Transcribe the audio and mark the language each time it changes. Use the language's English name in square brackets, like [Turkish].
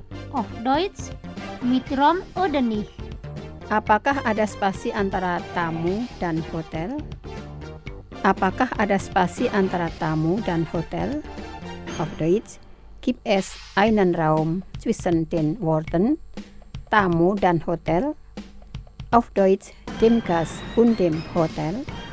[German] Auf Deutsch, mit Raum oder nicht? [Indonesian] Apakah ada spasi antara tamu dan hotel? Apakah ada spasi antara tamu dan hotel? [German] Auf Deutsch, gibt es einen Raum zwischen den Worten, [Indonesian] tamu dan hotel? [German] Auf Deutsch, dem Gast und dem Hotel?